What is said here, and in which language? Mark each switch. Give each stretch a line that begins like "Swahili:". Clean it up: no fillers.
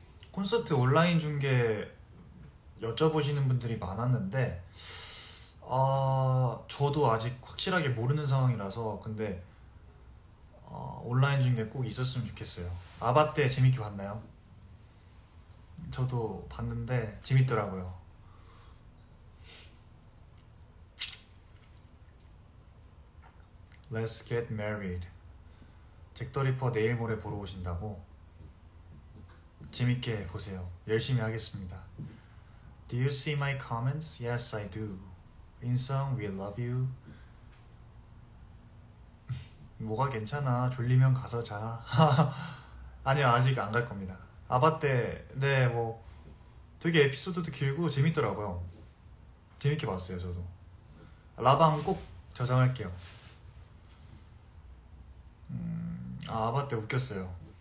Korean: 콘서트 온라인 중계 여쭤보시는 분들이 많았는데 아 저도 아직 확실하게 모르는 상황이라서 근데 온라인 중계 꼭 있었으면 좋겠어요 아바떼 재밌게 봤나요? 저도 봤는데 재밌더라고요 Let's get married 잭더리퍼 내일모레 보러 오신다고? 재밌게 보세요 열심히 하겠습니다
English: Do you see my comments? Yes, I do
Korean: 인성,
English: we love you
Korean: 뭐가 괜찮아 졸리면 가서 자 아니요 아직 안 갈 겁니다 아바떼 네 뭐 되게 에피소드도 길고 재밌더라고요 재밌게 봤어요 저도 라방 꼭 저장할게요 아 아바떼 웃겼어요